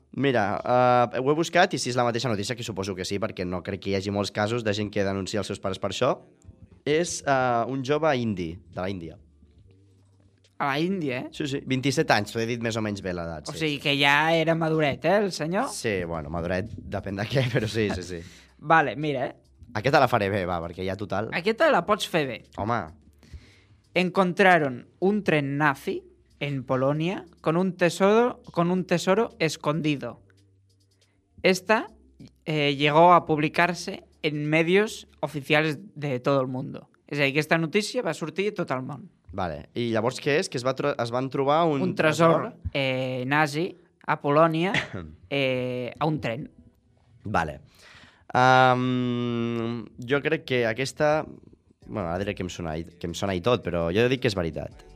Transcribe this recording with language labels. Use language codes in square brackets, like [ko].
[ca] Mira, ho he buscat i si és la mateixa notícia, que suposo que sí, perquè no crec que hi hagi molts casos de gent que denuncia els seus pares per això, és un jove indi, de l'Índia. A l'Índia, eh? Sí, sí, 27 anys, t'ho he dit més o menys bé l'edat. O sigui que ja era maduret, el senyor? Sí, bueno, maduret, depèn de què, però sí, sí, sí. Vale, mira. Aquesta la faré bé, va, perquè ja total... Aquesta la pots fer bé. Home. [es] Encontraron un tren nazi en Polonia con un tesoro escondido. Esta llegó a publicarse en medios oficiales de todo el mundo. [ca] És a dir, aquesta notícia va sortir a tot el món. Vale. I llavors què és? Que es van trobar un tresor nazi a Polònia a un tren. Vale. Jo crec que aquesta... Bueno, ara diré que em sona i tot, però jo dic que és veritat.